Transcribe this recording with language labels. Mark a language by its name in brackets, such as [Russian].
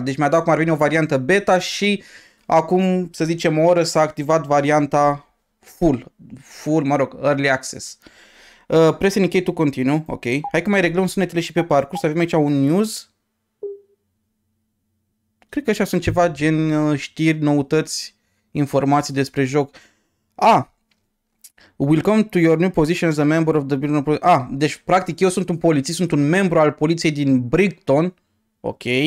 [Romanian] Deci mi-a dat cum ar veni o variantă beta și acum, să zicem, o oră s-a activat varianta full. [English] Full, [Romanian] mă rog, [English] early access. Press any key to continue, ok. [Romanian] Hai că mai reglăm sunetele și pe parcurs. Avem aici un news. Cred că așa sunt ceva gen știri, noutăți, informații despre joc. [English] Welcome to your new position as a member of the building. [Romanian] Deci practic eu sunt un polițist, sunt un membru al poliției din Brighton. Ok.